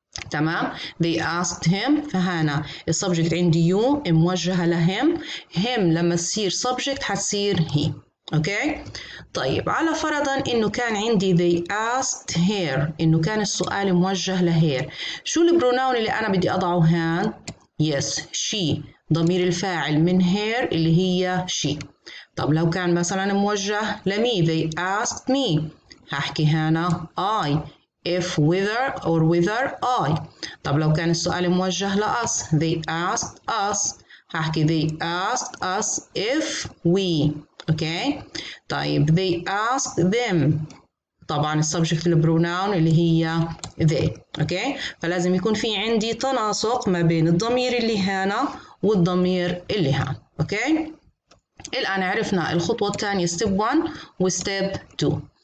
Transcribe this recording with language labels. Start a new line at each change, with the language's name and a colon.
Arabic: تمام،
English: they asked him،
Arabic: فهنا السبجكت عندي you موجهة لهم، him لما تصير سبجكت حتصير he. أوكي؟ طيب على فرضا إنه كان عندي
English: they asked her،
Arabic: إنه كان السؤال موجه لهير، شو البروناون اللي أنا بدي أضعه هان؟
English: yes she،
Arabic: ضمير الفاعل من her اللي هي she. طب لو كان مثلا موجه لمي
English: they asked me،
Arabic: هحكي هنا I،
English: if whether or whether I.
Arabic: طب لو كان السؤال موجه ل
English: us they asked us، هحكي they asked us if we. okay.
Arabic: طيب
English: they asked them،
Arabic: طبعا السبجكت البروناون اللي هي they.
English: okay.
Arabic: فلازم يكون في عندي تناسق ما بين الضمير اللي هنا والضمير اللي هنا.
English: okay.
Arabic: الآن عرفنا الخطوة الثانية step 1 وstep 2.